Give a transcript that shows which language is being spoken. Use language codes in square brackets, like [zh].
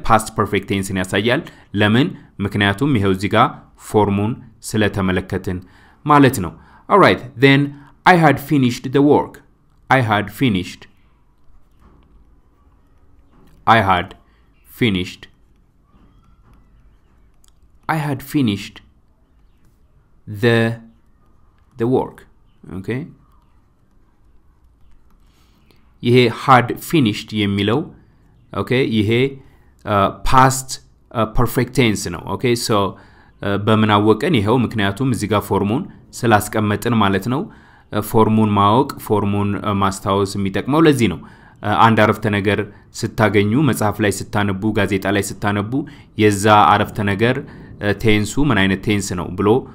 [am] past perfect tenseን ያሳያል። ለምን? ምክንያቱም ይሄው እዚህ ጋር ፎርሙን ስለተመለከትን ማለት ነው። [en] all right then i had finished the work okay [am] ይሄ had finished የሚለው ኦኬ ይሄ past perfect tense ነው ኦኬ so በመናወቀን ይሄው ምክንያቱም እዚህ ጋር ፎርሙን ስላስቀመጥን ማለት ነው ፎርሙን ማወቅ ፎርሙን ማስታወስ የሚጠቅመው ለዚህ ነው አንድ አረፍተ ነገር ስታገኙ መጽሐፍ ላይ ስታነቡ ጋዜጣ ላይ ስታነቡ የዛ አረፍተ ነገር ቴንሱ ምን አይነት ቴንስ ነው ብሎ